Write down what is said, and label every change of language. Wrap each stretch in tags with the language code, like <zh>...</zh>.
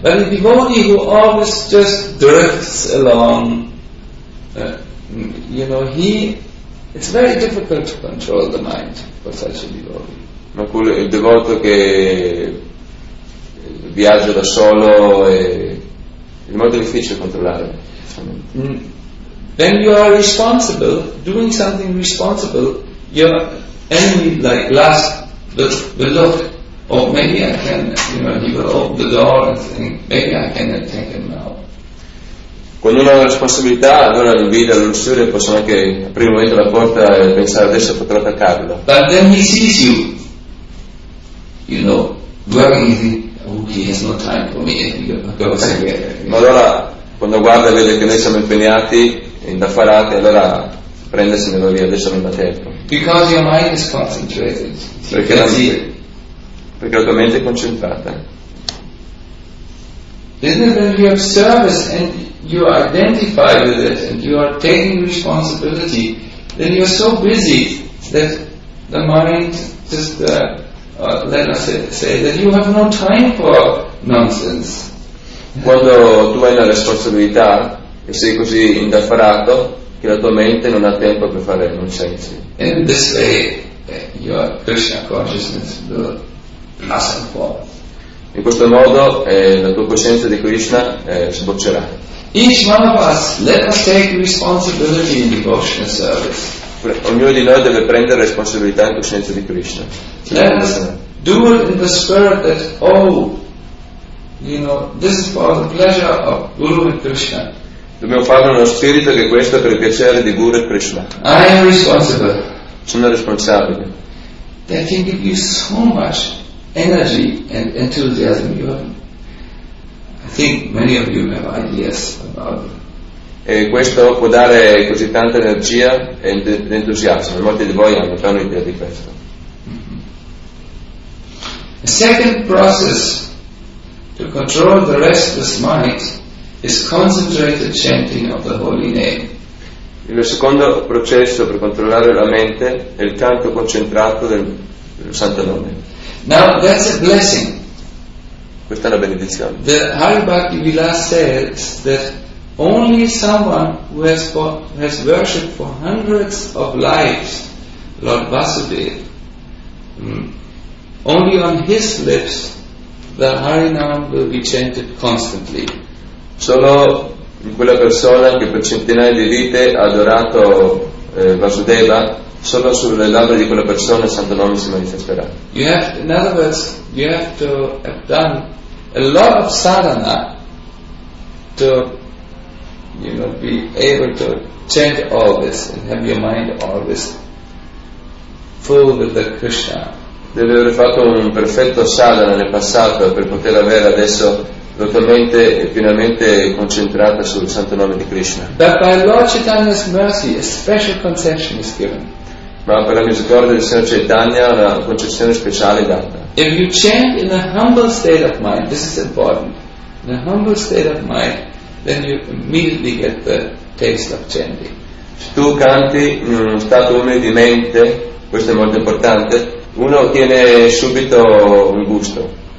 <en>But the devotee who always just drifts along, you know, he. It's very difficult to control the mind for such a devotee.</en> <it>Ma il devoto che viaggia da solo è molto difficile controllare.</it> <en>Then you are responsible, doing something responsible, your enemy like lust will look, or maybe I can, you know, he will open the door and think, maybe I can attack him now.</en> <it>Quando uno ha la responsabilità, allora l'invidia, l'ulsione possono anche aprire un momento la porta e pensare adesso potrò attaccarlo.</it> <en>But then he sees you, you know, dwelling in he has no time for me.</en> <it>Ma allora, quando guarda e vede che noi siamo impegnati, indaffarati, allora prende e se ne va via, adesso non ha tempo.</it> <en>Because your mind is concentrated.</en> <it>Perché la tua mente è concentrata.</it> <en>Isn't it when you have service and you identify with it and you are taking responsibility, then you are so busy that the mind just, let us say, that you have no time for nonsense.</en> <it>Quando tu hai la responsabilità e sei così indaffarato che la tua mente non ha tempo per fare nonsense.</it> <en>In this way, your Krishna consciousness will blossom forth.</en> <it>In questo modo la tua coscienza di Krishna sboccerà.</it> <en>Each one of us, let us take responsibility in devotional service.</en> <it>Ognuno di noi deve prendere responsabilità in coscienza di Krishna.</it> <en>Let us do it in the spirit that, oh, you know, this is for the pleasure of Guru and Krishna.</en> <it>Dobbiamo farlo nello spirito che questo è per il piacere di Guru e Krishna.</it> <en>I am responsible.</en> <it>Sono responsabile.</it> <en>That can give you so much energy and enthusiasm. You have, I think many of you have ideas about it.</en> <it>E questo può dare così tanta energia e entusiasmo. Molti di voi hanno già un'idea di questo.</it> <en>The second process to control the restless mind is concentrated chanting of the holy name.</en> <it>Il secondo processo per controllare la mente è il canto concentrato del santo nome.</it> <en>Now that's a blessing.</en> <it>Questa è una benedizione.</it> <en>The Hari Bhakti Vilas says that only someone who has worshipped for hundreds of lives, Lord Vasudev, only on his lips the Harinam will be chanted constantly.</en> <it>Solo in quella persona che per centinaia di vite ha adorato Vasudeva. Solo sulle labbra di quella persona il santo nome si manifesterà.</it> <en>You have, in other words, you have to have done a lot of sadhana to, you know, be able to chant all this and have your mind always full with the Krishna.</en> <it>Deve aver fatto un perfetto sadhana nel passato per poter avere adesso totalmente e pienamente concentrata sul santo nome di Krishna.</it> <en>But by Lord Chaitanya's mercy, a special concession is given.</en> <it>Ma per la misericordia del Signore Chaitanya una concessione speciale è data.</it> <en>If you chant in a humble state of mind, this is important, in a humble state of mind, then you immediately get the taste of chanting.</en> <it>Se tu canti in uno stato umile di mente, questo è molto importante, uno ottiene subito un gusto.</it>